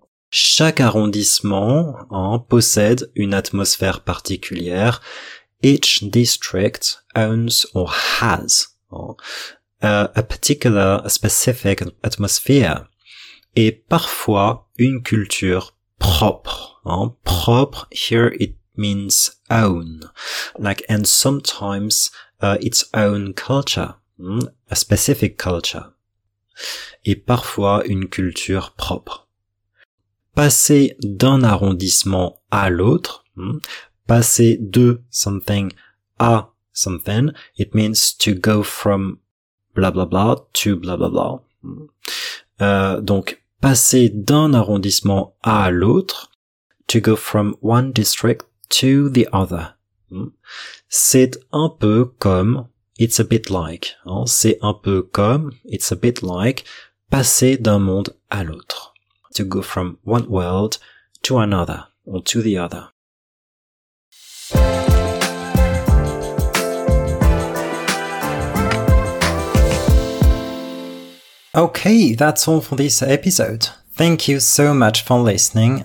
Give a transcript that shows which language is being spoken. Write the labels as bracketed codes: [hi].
[fr] Chaque arrondissement possède une atmosphère particulière. [en] Each district owns or has a specific atmosphere. [fr] Et parfois, une culture propre. [en] Propre, here it means own. Like, and sometimes its own culture. A specific culture. [fr] Et parfois, une culture propre. Passer d'un arrondissement à l'autre. Passer de something à something. [en] It means to go from blah blah blah to blah blah blah. [fr] Donc, passer d'un arrondissement à l'autre. [en] To go from one district to the other. [fr] C'est un peu comme, [en] it's a bit like. [fr] C'est un peu comme, [en] it's a bit like, [fr] passer d'un monde à l'autre. [en] To go from one world to another, or to the other. Okay, that's all for this episode. Thank you so much for listening.